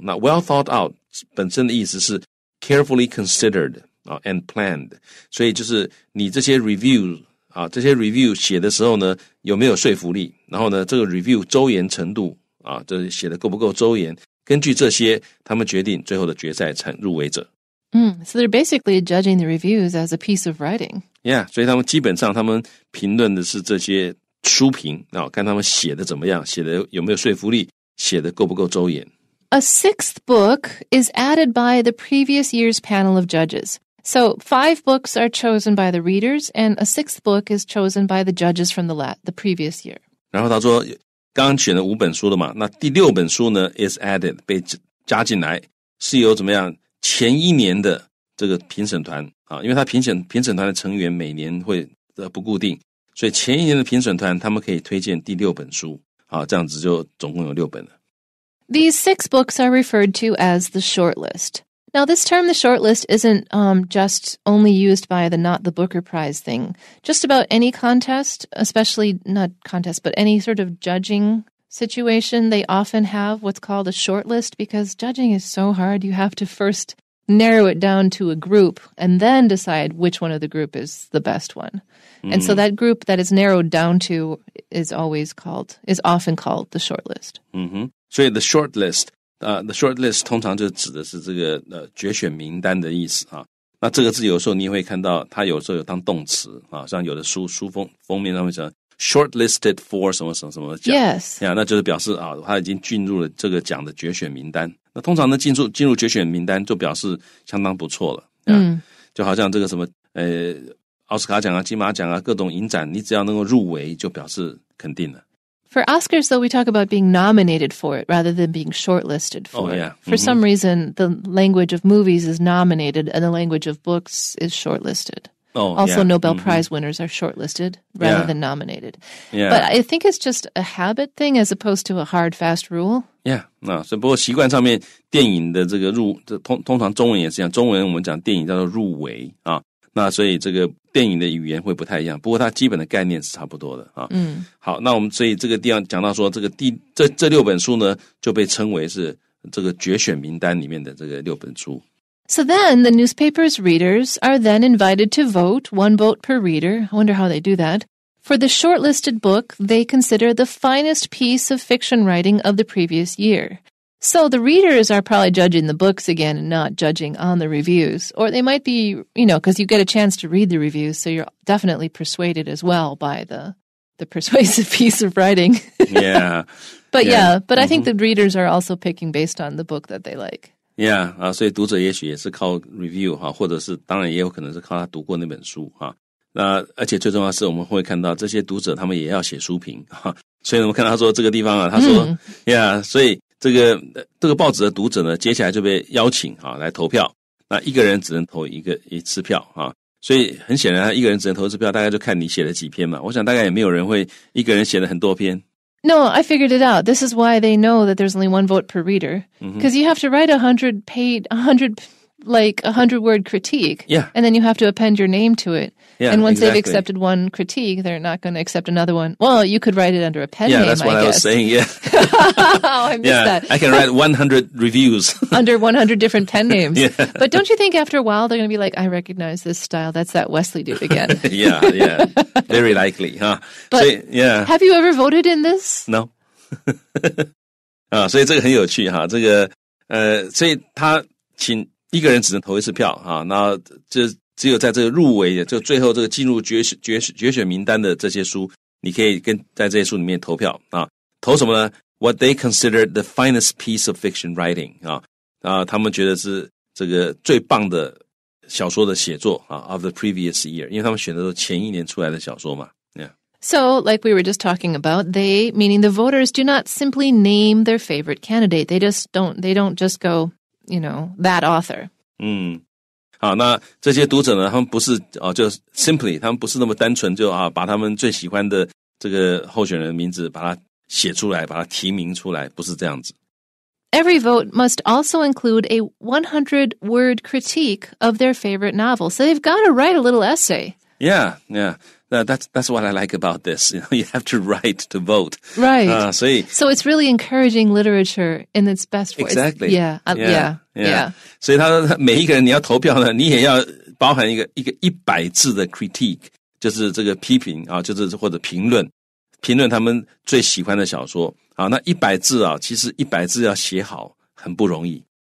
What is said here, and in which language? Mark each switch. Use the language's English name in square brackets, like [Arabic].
[Chinese] 那 [English] well thought out [Chinese] 本身的意思是 [English] carefully considered [Chinese] 啊 [English] and planned， [Chinese] 所以就是你这些 review 啊，这些 review 写的时候呢，有没有说服力？然后呢，这个 review 周延程度啊，这写的够不够周延？根据这些，他们决定最后的决赛成入围者。 [English] So they're basically judging the reviews as a piece of writing. [Chinese] Yeah, 所以他们基本上他们评论的是这些书评，然后看他们写的怎么样，写的有没有说服力，写的够不够周延。 [English] A sixth book is added by the previous year's panel of judges. So five books are chosen by the readers, and a sixth book is chosen by the judges from the previous year. [Chinese] 然后他说，刚选了五本书了嘛，那第六本书呢 [English] is added [Chinese] 被加进来，是由怎么样？前一年的这个评审团啊，因为他评审团的成员每年会不固定，所以前一年的评审团他们可以推荐第六本书啊，这样子就总共有六本了。 [English] These six books are referred to as the shortlist. Now this term, the shortlist, isn't just only used by the Not the Booker Prize thing. Just about any contest, especially not contest, but any sort of judging. Situation, they often have what's called a shortlist because judging is so hard. You have to first narrow it down to a group and then decide which one of the group is the best one. And so that group that is narrowed down to is often called the shortlist. Mm-hmm. So the shortlist, the shortlist [Chinese] 通常就指的是这个决选名单的意思啊。那这个字有时候你会看到它有时候有当动词啊，像有的书封面上面讲。 [English] Shortlisted for [Chinese] 什么什么什么奖 [English] ？Yes， [Chinese] 呀， yeah, 那就是表示啊，他已经进入了这个奖的决选名单。那通常呢，进入决选名单就表示相当不错了。就好像这个什么奥斯卡奖啊、金马奖啊、各种影展，你只要能够入围，就表示肯定了。 [English] For Oscars, though, we talk about being nominated for it rather than being shortlisted for it. Oh, yeah. For some reason, the language of movies is nominated, and the language of books is shortlisted. Nobel Prize winners are shortlisted rather than nominated. Yeah. But I think it's just a habit thing as opposed to a hard, fast rule. [Chinese] Yeah, 那所以不过习惯上面电影的这个入这通常中文也是这样，中文我们讲电影叫做入围啊，那所以这个电影的语言会不太一样，不过它基本的概念是差不多的啊。好，那我们所以这个地方讲到说这六本书呢就被称为是这个决选名单里面的这个六本书。 [English] So then, the newspaper's readers are then invited to vote, one vote per reader, I wonder how they do that, for the shortlisted book they consider the finest piece of fiction writing of the previous year. So the readers are probably judging the books again and not judging on the reviews. Or they might be, you know, because you get a chance to read the reviews, so you're definitely persuaded as well by the persuasive piece of writing. Yeah. But yeah, but mm-hmm. I think the readers are also picking based on the book that they like. [Chinese] Yeah, 所以读者也许也是靠 review, 或者是当然也有可能是靠他读过那本书。那而且最重要的是我们会看到这些读者他们也要写书评。所以我们看到他说这个地方啊，他说、嗯、yeah, 所以这个报纸的读者呢接下来就被邀请来投票。那一个人只能投一次票。所以很显然他一个人只能投一次票，大概就看你写了几篇嘛。我想大概也没有人会一个人写了很多篇。 [English] No, I figured it out. This is why they know that there's only one vote per reader. Because mm-hmm. you have to write 100-word critique. Yeah. And then you have to append your name to it. Yeah, and once exactly. they've accepted one critique, they're not going to accept another one. Well, you could write it under a pen yeah, name, that's what I was saying, yeah. Oh, I missed yeah, that. I can write 100 reviews. Under 100 different pen names. Yeah. But don't you think after a while they're going to be like, I recognize this style, that's that Wesley dude again. Yeah, yeah. Very likely, huh? But so, yeah. Have you ever voted in this? No. [Chinese] 所以这个很有趣哈，这个所以他请一个人只能投一次票啊，那就只有在这个入围的，就最后这个进入决选名单的这些书，你可以跟在这些书里面投票啊，投什么呢 ？ [English] What they consider the finest piece of fiction writing [Chinese] 啊，他们觉得是这个最棒的小说的写作啊 ， [English] of the previous year， [Chinese] 因为他们选的都前一年出来的小说嘛。 [English] So, like we were just talking about, they, meaning the voters, do not simply name their favorite candidate. They don't just go. You know, that author. [Chinese] 嗯，好，那这些读者呢，他们不是就 simply, 他们不是那么单纯就把他们最喜欢的这个候选人的名字把它写出来，把它提名出来，不是这样子。 [English] Every vote must also include a 100-word critique of their favorite novel. So they've got to write a little essay. Yeah, yeah. That's what I like about this. You know, you have to write to vote. Right. So it's really encouraging literature in its best way. Exactly. Yeah. [Chinese] 所以他每一个人你要投票呢，你也要包含一个100字的 critique， 就是这个批评啊，就是或者评论他们最喜欢的小说啊。那一百字啊，其实一百字要写好很不容易。